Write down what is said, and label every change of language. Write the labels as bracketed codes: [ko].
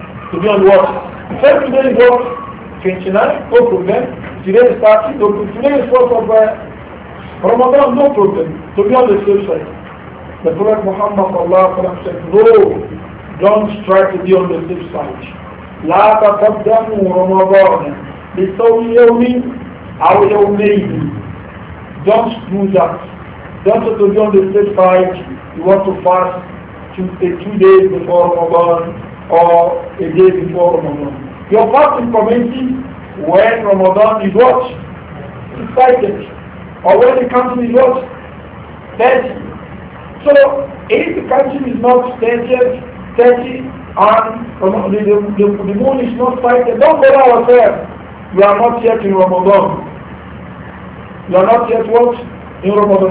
[en] To be on what? First today is what? 29, no problem. Today is 30, no problem. Today is fast of Ramadan, no problem. To be on the safe side. The Prophet Muhammad said, no, don't try to be on the safe side. [ar] لا تقدموا رمضان لسوي يوم أو يومين. [en] Don't do that. Don't try to be on the safe side. You want to fast two days before Ramadan or a day before Ramadan. Your fast is commencing when Ramadan is what? Excited. Or when the country is what? Thirty. So, if the country is not thirty, and the moon is not sighted, don't tell ourselves, we are not yet in Ramadan. We are not yet what? In Ramadan.